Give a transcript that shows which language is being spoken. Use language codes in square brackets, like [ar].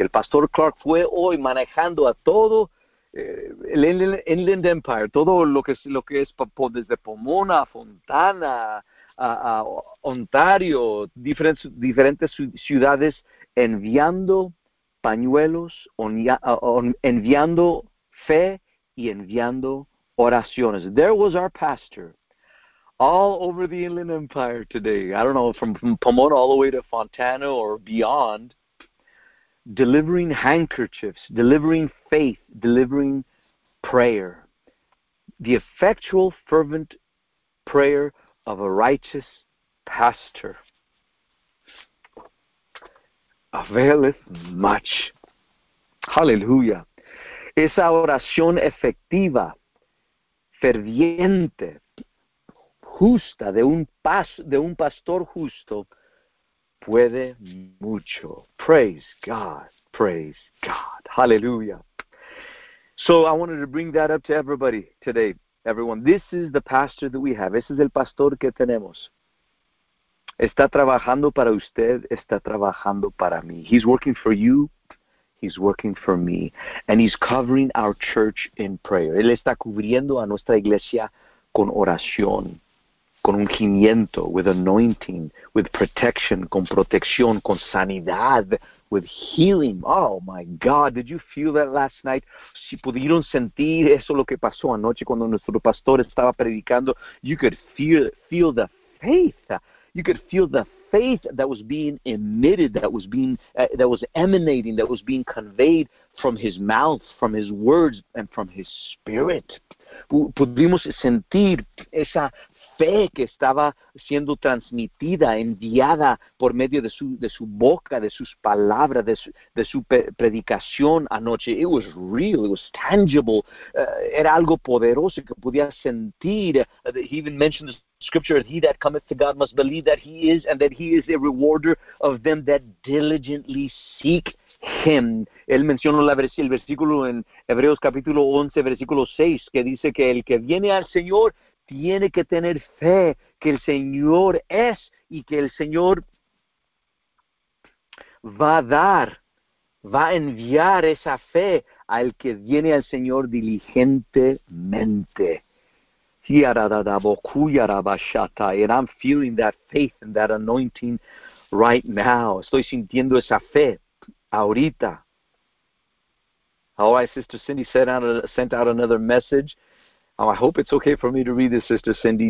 [es] El Pastor Clark fue hoy manejando a todo el Inland Empire, todo lo que es desde Pomona, Fontana, a Ontario, diferentes ciudades, enviando pañuelos, enviando fe y enviando oraciones. [en] There was our pastor all over the Inland Empire today. I don't know, from Pomona all the way to Fontana or beyond, delivering handkerchiefs, delivering faith, delivering prayer. The effectual, fervent prayer of a righteous pastor availeth much. Hallelujah. [es] Esa oración efectiva, ferviente, justa, de un pastor justo, puede mucho. [en] Praise God. Praise God. Hallelujah. So I wanted to bring that up to everybody today. Everyone, this is the pastor that we have. [es] Ese es el pastor que tenemos. Está trabajando para usted. Está trabajando para mí. [en] He's working for you. He's working for me. And he's covering our church in prayer. [es] Él está cubriendo a nuestra iglesia con oración, con ungimiento, [en] with anointing, with protection, [es] con protección, con sanidad, [en] with healing. Oh my God, did you feel that last night? [es] Si pudieron sentir eso lo que pasó anoche cuando nuestro pastor estaba predicando, [en] you could feel the faith. You could feel the faith that was being emitted, that was emanating, that was being conveyed from his mouth, from his words, and from his spirit. [es] Pudimos sentir esa fe que estaba siendo transmitida, enviada por medio de su boca, de sus palabras, de su predicación anoche. [en] It was real, it was tangible. [es] Era algo poderoso que podía sentir. [en] He even mentioned the scripture, he that cometh to God must believe that he is, and that he is a rewarder of them that diligently seek him. [es] Él mencionó el versículo en Hebreos capítulo 11, versículo 6, que dice que el que viene al Señor tiene que tener fe que el Señor es y que el Señor va a dar, va a enviar esa fe al que viene al Señor diligentemente. [en] And I'm feeling that faith and that anointing right now. [es] Estoy sintiendo esa fe ahorita. [en] All right, Sister Cindy sent out another message. Oh, I hope it's okay for me to read this, Sister Cindy.